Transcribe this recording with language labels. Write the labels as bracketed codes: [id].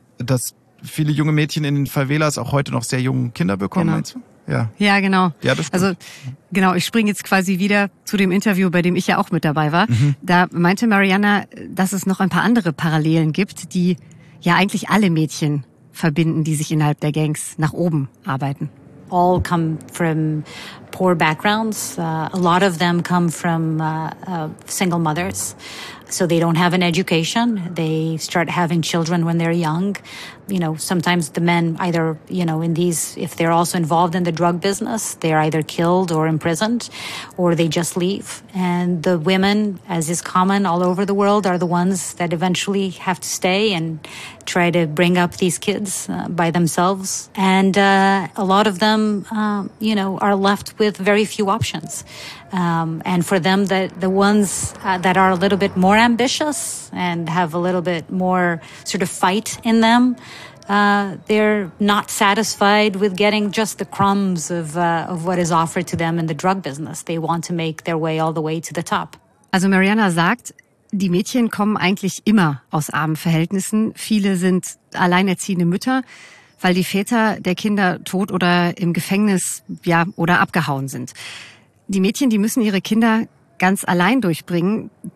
[de] Dass viele junge Mädchen in den Favelas auch heute noch sehr junge Kinder bekommen, meinst du? Ja. Ja, genau. Ja, das stimmt. Also genau, ich springe jetzt quasi wieder zu dem Interview, bei dem ich ja auch mit dabei war. Da meinte Mariana, dass es noch ein paar andere Parallelen gibt, die ja eigentlich alle Mädchen verbinden, die sich innerhalb der Gangs nach oben arbeiten. [en] All come from poor backgrounds. A lot of them come from single mothers. So they don't have an education. They start having children when they're young. You know, sometimes the men either, you know, if they're also involved in the drug business, they're either killed or imprisoned or they just leave. And the women, as is common all over the world, are the ones that eventually have to stay and try to bring up these kids by themselves. And a lot of them, you know, are left with very few options. And for them, the ones that are a little bit more ambitious and have a little bit more sort of fight in them, they're not satisfied with getting just the crumbs of what is offered to them in the drug business. They want to make their way all the way to the top. [de] Also Mariana sagt, die Mädchen kommen eigentlich immer aus armen Verhältnissen. Viele sind alleinerziehende Mütter, weil die Väter der Kinder tot oder im Gefängnis, ja, oder abgehauen sind. Die Mädchen, die müssen ihre Kinder ganz allein durchbringen.